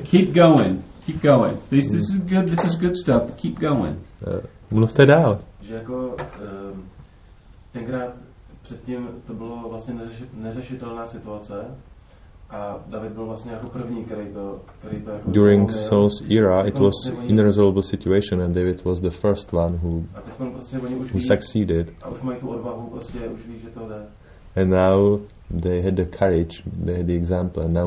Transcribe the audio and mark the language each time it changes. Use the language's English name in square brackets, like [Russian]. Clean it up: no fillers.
[English] Keep going. This is good stuff. Keep going. [Czech] Mluvte dál. Že jako tenkrát předtím to bylo vlastně neřešitelná situace a David byl vlastně jako první, který to jako [English] during Saul's era it was unresolvable situation and David was the first one who succeeded. [Czech] A už mají tu odvahu, prostě už ví, že to jde. [English] And now they had the courage, they had the example, and now